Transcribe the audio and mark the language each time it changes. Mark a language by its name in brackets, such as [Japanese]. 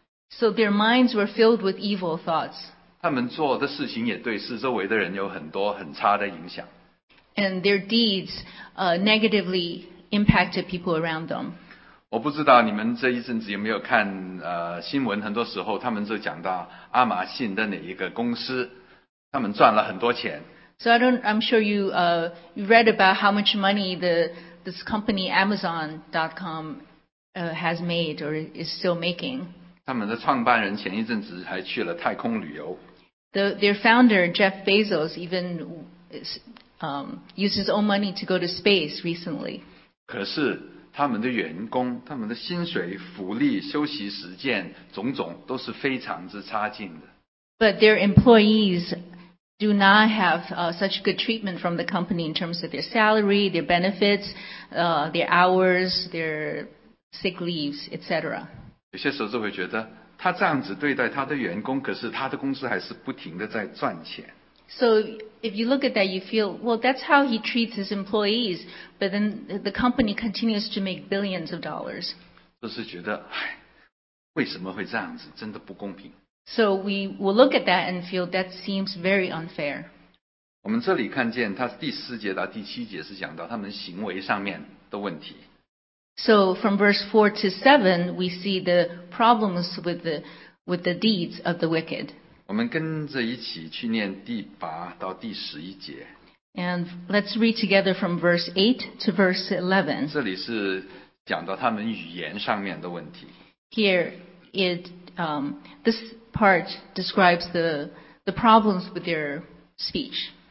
[English] So their minds were filled with evil thoughts. [Chinese] 他们做的事情也对四周围的人有很多很差的影响。 [English] And their deeds negatively impacted people around them. [Chinese] 我不知道你们这一阵子有没有看新闻，很多时候他们就讲到亚马逊的哪一个公司，他们赚了很多钱。 [English] So I'm sure you read about how much money this company Amazon.com has made or is still making. [Chinese] 他们的创办人前一阵子还去了太空旅游。 [English] Their founder Jeff Bezos even used his own money to go to space recently. [Chinese] 可是他们的员工、他们的薪水、福利、休息时间，种种都是非常之差劲的。 [English] But their employees do not have such good treatment from the company in terms of their salary, their benefits, their hours, their sick leaves, etc. [Chinese] 有些时候就会觉得他这样子对待他的员工，可是他的公司还是不停的在赚钱。 [English] So if you look at that, you feel, well, that's how he treats his employees, but then the company continues to make billions of dollars. [Chinese] 就是觉得，唉，为什么会这样子？真的不公平。 [English] So we will look at that and feel that seems very unfair. [Chinese] 我们这里看见他第四节到第七节是讲到他们行为上面的问题。 [English] So from verse 4 to 7, we see the problems with the deeds of the wicked. [Chinese] 我们跟着一起去念第八到第十一节。 [English] And let's read together from verse 8 to verse 11. [Chinese] 这里是讲到他们语言上面的问题。 [English] Here it this part describes the problems with their speech.